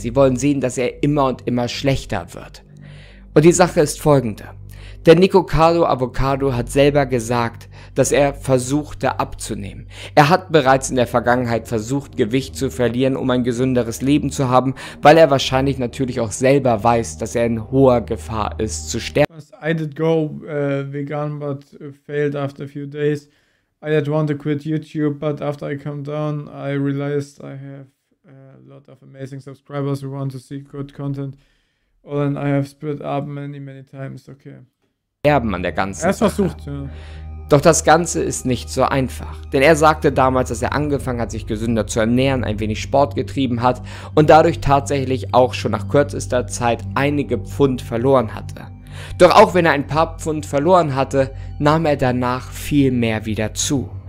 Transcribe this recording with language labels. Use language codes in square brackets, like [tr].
[de] Sie wollen sehen, dass er immer und immer schlechter wird. Und die Sache ist folgende. Der Nicocado Avocado hat selber gesagt, dass er versuchte abzunehmen. Er hat bereits in der Vergangenheit versucht, Gewicht zu verlieren, um ein gesünderes Leben zu haben, weil er wahrscheinlich natürlich auch selber weiß, dass er in hoher Gefahr ist, zu sterben. [en] I did go vegan, but failed after a few days. I had wanted to quit YouTube, but after I come down, I realized I have a lot of amazing subscribers who want to see good content. Well, and I have split up many, many times, okay. [de] Erben an der ganzen Sache. Er versucht, ja. Doch das Ganze ist nicht so einfach. Denn er sagte damals, dass er angefangen hat, sich gesünder zu ernähren, ein wenig Sport getrieben hat und dadurch tatsächlich auch schon nach kürzester Zeit einige Pfund verloren hatte. Doch auch wenn er ein paar Pfund verloren hatte, nahm er danach viel mehr wieder zu.